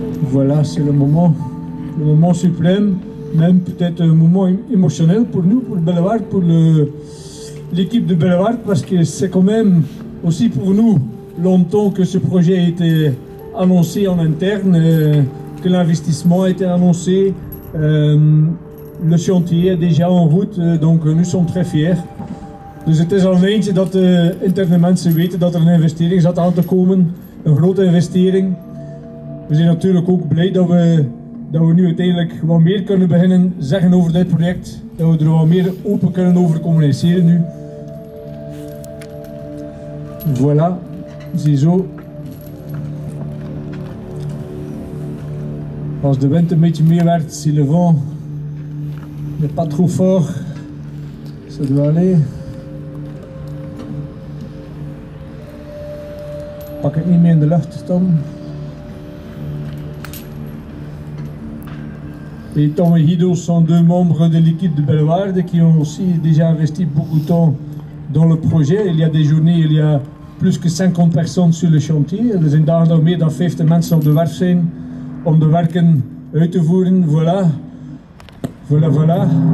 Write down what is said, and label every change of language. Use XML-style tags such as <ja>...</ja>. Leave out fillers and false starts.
<fr>Voilà, c'est le moment suprême, même peut-être un moment émotionnel pour nous, pour Bellewaerde, pour l'équipe de Bellewaerde, parce que c'est quand même aussi pour nous longtemps que ce projet a été annoncé en interne, que l'investissement a été annoncé, le chantier est déjà en route, donc nous sommes très fiers.</fr> <nl>Dus het is al een eindje dat de interne mensen weten dat er een investering zat aan te komen, een grote investering. We zijn natuurlijk ook blij dat we nu uiteindelijk wat meer kunnen beginnen zeggen over dit project, dat we er wat meer open kunnen over communiceren nu. Voilà, ziezo. Als de wind een beetje meer werd,</nl> <fr>si le vent n'est pas trop fort, ça doit aller.</fr> <nl>Pak het niet meer in de lucht, Tom.</nl> <fr>Et Tom et Guido sont deux membres de l'équipe de Bellewaerde qui ont aussi déjà investi beaucoup de temps dans le projet. Il y a des journées, il y a plus que 50 personnes sur le chantier.</fr> <nl>Er zijn dagen dat meer dan 50 mensen op de werf zijn om de werken uit te voeren. Voilà. Voilà, voilà.</nl>